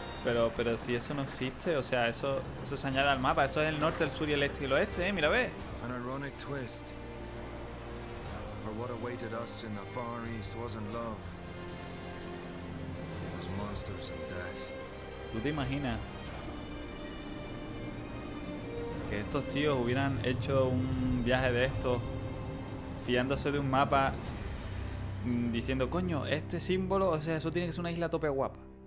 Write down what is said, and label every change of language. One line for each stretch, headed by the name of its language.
Spanish: Pero si eso no existe, o sea, eso se añade al mapa. Eso es el norte, el sur y el este y el oeste, ¿eh? Mira, ve.
English: An ironic twist. For what awaited us in the Far East wasn't love. It was monsters and death.
Spanish: ¿Tú te imaginas que estos tíos hubieran hecho un viaje de estos fiándose de un mapa diciendo, coño, este símbolo, o sea, eso tiene que ser una isla tope guapa?